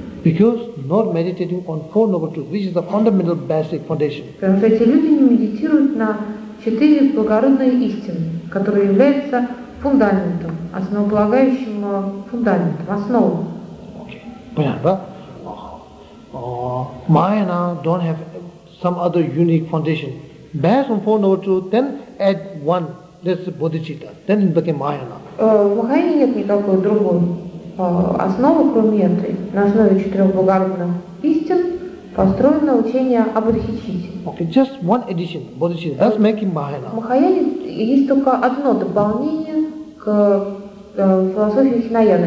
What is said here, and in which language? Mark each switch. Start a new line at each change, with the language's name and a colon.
English: Because not meditating on Four Noble Truths, which is the fundamental basic foundation.
Russian: Потому что эти люди не медитируют на четыре благородные истины, которые являются фундаментом, основополагающим фундаментом, основой. Понятно?
English: Майяна don't have some other unique foundation. Based on Four Noble Truths, then add one, that's Bodhicitta. Then it became Майяна.
Russian: В Махайне нет никакой другой основы, кроме этой. На основе четырех благородных истин построено учение о Бодхичитте.
English: Okay, just one addition, Bodhicitta. That's making Mahayana.
Russian: В Махайане есть только одно дополнение к философии Хинаяны.